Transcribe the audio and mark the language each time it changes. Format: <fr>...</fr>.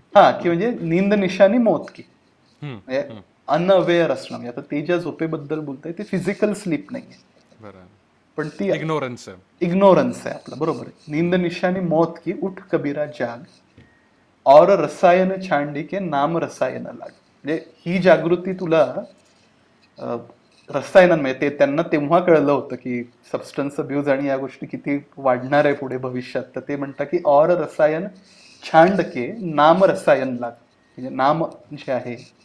<mr>हा की म्हणजे</mr> <hi>नींद निशानी मौत की</hi> <mr>अनअवेअर असणं, म्हणजे आता ते ज्या झोपेबद्दल बोलतंय ते फिजिकल स्लीप नाही पण ती इग्नोरन्स आहे. इग्नोरन्स आहे आपलं, बरोबर.</mr> <hi>नींद निशानी मौत की उठ कबीरा जाग और रसायन छांडी के नाम रसायन लाग.</hi> <mr>म्हणजे ही जागृती तुला रसायनांमध्ये, ते त्यांना तेव्हा कळलं होतं की सबस्टन्स अब्यूज आणि या गोष्टी किती वाढणार आहे पुढे भविष्यात. तर ते म्हणतात की</mr> <hi>और रसायन छांड के नाम रसायन लाग,</hi> <mr>म्हणजे नाम जे आहे.</mr>